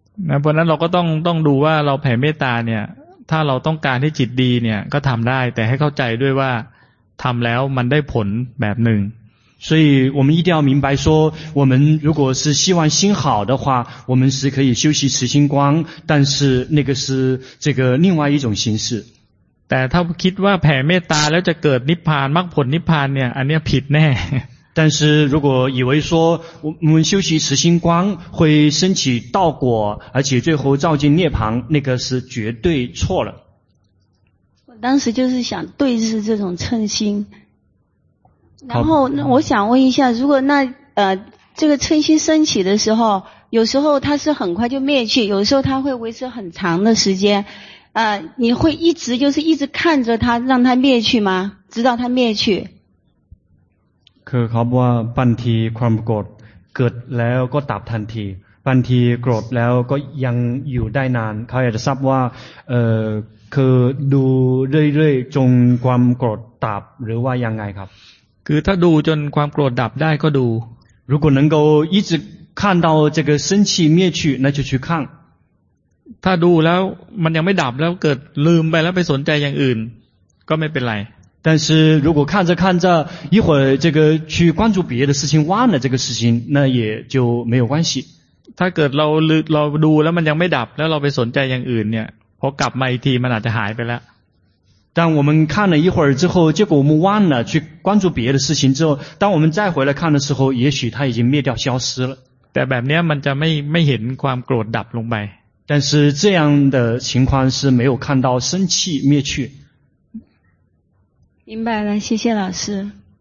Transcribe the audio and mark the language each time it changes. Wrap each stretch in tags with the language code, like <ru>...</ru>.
<th>นะเพราะนั้นเราก็ต้องดูว่าเราแผ่เมตตาเนี่ยถ้าเราต้องการให้จิตดีเนี่ยก็ทำได้แต่ให้เข้าใจด้วยว่าทำแล้วมันได้ผลแบบหนึ่ง</th> <zh>所以我们一定要明白说我们如果是希望心好的话我们是可以修习慈心观但是那个是这个另外一种形式</zh> <th>แต่ถ้าคิดว่าแผ่เมตตาแล้วจะเกิดนิพพานมรรคผลนิพพานเนี่ยอันนี้ผิดแน่</th> <zh>但是如果以为说我们修习慈心观会升起道果而且最后照进涅槃那个是绝对错了我当时就是想对治这种嗔心然后我想问一下如果那这个嗔心升起的时候有时候它是很快就灭去有时候它会维持很长的时间你会一直就是一直看着它让它灭去吗直到它灭去</zh> <th>คือเขาบอกว่าบางทีความโกรธเกิดแล้วก็ดับทันทีบางทีโกรธแล้วก็ยังอยู่ได้นานเขาอยากจะทราบว่าคือดูเรื่อยๆจนความโกรธดับหรือว่ายังไงครับ คือถ้าดูจนความโกรธดับได้ก็ดู</th> <zh>如果能够一直看到这个生气灭去那就去看</zh> <th>ถ้าดูแล้วมันยังไม่ดับแล้วเกิดลืมไปแล้วไปสนใจอย่างอื่นก็ไม่เป็นไร</th> <zh>但是如果看着看着一会儿这个去关注别的事情忘了这个事情那也就没有关系</zh> <th>ถ้าเกิดเราดูแล้วมันยังไม่ดับแล้วเราไปสนใจอย่างอื่นเนี่ยพอกลับมาอีกทีมันอาจจะหายไปแล้ว</th> <zh>当我们看了一会儿之后结果我们忘了去关注别的事情之后当我们再回来看的时候也许它已经灭掉消失了</zh> <th>แต่แบบนี้มันจะไม่เห็นความโกรธดับลงไป</th> <zh>但是这样的情况是没有看到生气灭去明白了，谢谢老师。</zh>